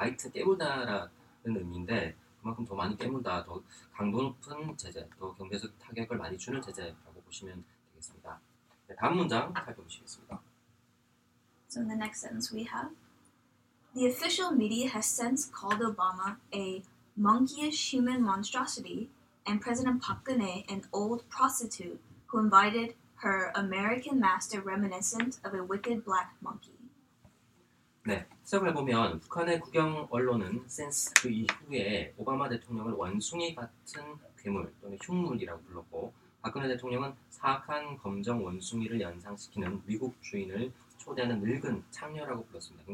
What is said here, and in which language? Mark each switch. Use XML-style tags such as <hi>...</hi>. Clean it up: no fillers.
<ko>bite, 깨물다라는 의미인데 그만큼 더 많이 깨문다, 더 강도 높은 제재, 더 경제적 타격을 많이 주는 제재라고 보시면 되겠습니다. 네, 다음 문장 살펴보시겠습니다.</ko> <en>So in the next sentence we have The official media has since called Obama a monkeyish human monstrosity and President Park Geun-hye an old prostitute who invited her American master reminiscent of a wicked black monkey.</en> <ko>네, 해석을 해보면 북한의 국영 언론은 since 그 이후에 오바마 대통령을 원숭이 같은 괴물 또는 흉물이라고 불렀고 박근혜 대통령은 사악한 검정 원숭이를 연상시키는 미국 주인을 초대하는 늙은 창녀라고 불렀습니다.</ko>